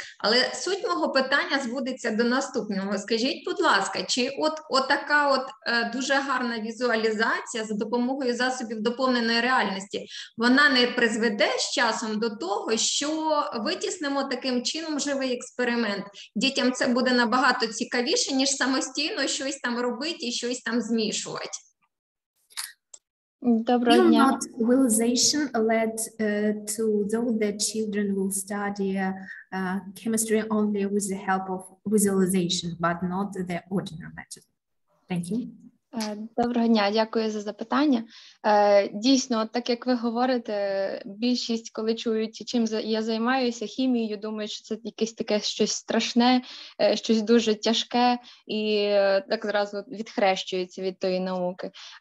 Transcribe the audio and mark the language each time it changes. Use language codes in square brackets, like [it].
[uk] Але суть мого питання зводиться до наступного. Скажіть, будь ласка, чи отака дуже гарна візуалізація за допомогою засобів доповненої реальності, вона не призведе з часом до того, що витіснемо таким чином живий експеримент? Дітям це буде набагато цікавіше, ніж самостійно щось там робити і щось там змішувати. [en] Will not realization lead to though the children will study chemistry only with the help of visualization, but not the ordinary method? Thank you. [uk] Доброго дня, дякую за запитання. Дійсно, так як ви говорите, більшість, коли чують, чим я займаюся хімією, думають, що це якесь таке щось страшне, щось дуже тяжке, і так зразу відхрещується від тої науки.